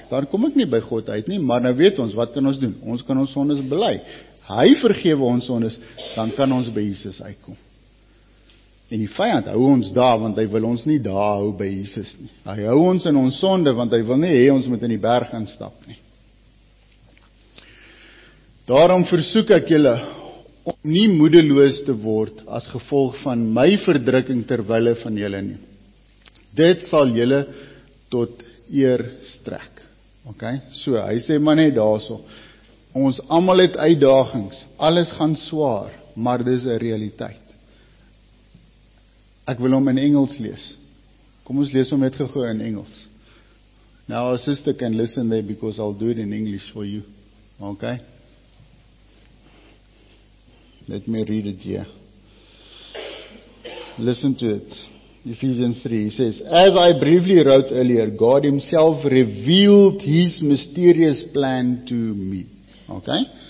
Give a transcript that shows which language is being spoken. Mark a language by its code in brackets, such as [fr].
[af] Dan kom ek nie by God uit nie, maar nou weet ons, wat kan ons doen? Ons kan ons sondes bely. Hy vergewe ons sondes, dan kan ons by Jesus uitkom. En die vyand hou ons daar, want hy wil ons nie daar hou by Jesus nie. Hy hou ons in ons sonde, want hy wil nie hê ons moet in die berg instap nie. Daarom versoek ek julle om nie moedeloos te word as gevolg van my verdrukking terwille van julle nie. Dit sal julle tot eer strek. Ok, so hy sê maar net daarso. Ons allemaal het uitdagings, alles gaan swaar, maar dit is 'n realiteit. Ek wil hom in Engels lees. Kom ons lees hom net gou in Engels. [en] Now our sister can listen there because I'll do it in English for you. Okay? Let me read it here. Listen to it. Ephesians 3, he says, as I briefly wrote earlier, God himself revealed his mysterious plan to me. Okay?